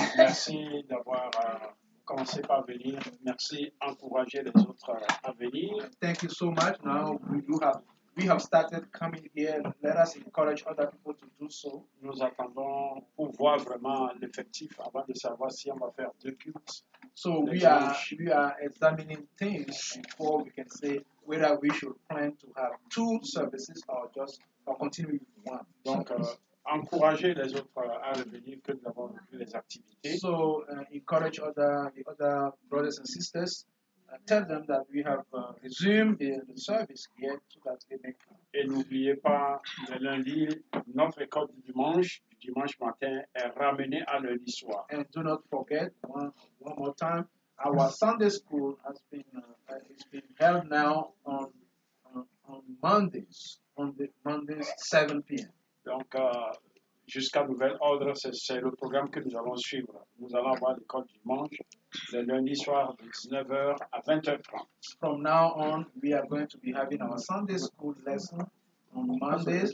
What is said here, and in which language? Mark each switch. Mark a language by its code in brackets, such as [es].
[fr] Merci d'avoir commencé par venir. Merci encourager les autres à venir. [en] Thank you so much. Now we have started coming here. Let us encourage other people to do so. [fr] Nous attendons pour voir vraiment l'effectif avant de savoir si on va faire deux cultes. [en] So we are examining things before we can say whether we should plan to have two services or just or continue with one. [fr] Donc encourager les autres à revenir que nous avons vu les activités. [en] So encourage the other brothers and sisters. Tell them that we have resumed the service yet so that they may come. [fr] Et n'oubliez pas de lundi, notre école du dimanche matin est ramenée à lundi soir. [en] And do not forget one more time, our Sunday school has been is being held now on Mondays 7 p.m. [fr] Donc jusqu'à nouvel ordre, c'est le programme que nous allons suivre. Nous allons avoir l'école du dimanche. Le lundi soir de 19h à 20h30. [en] From now on, we are going to be having our Sunday school lesson on Mondays.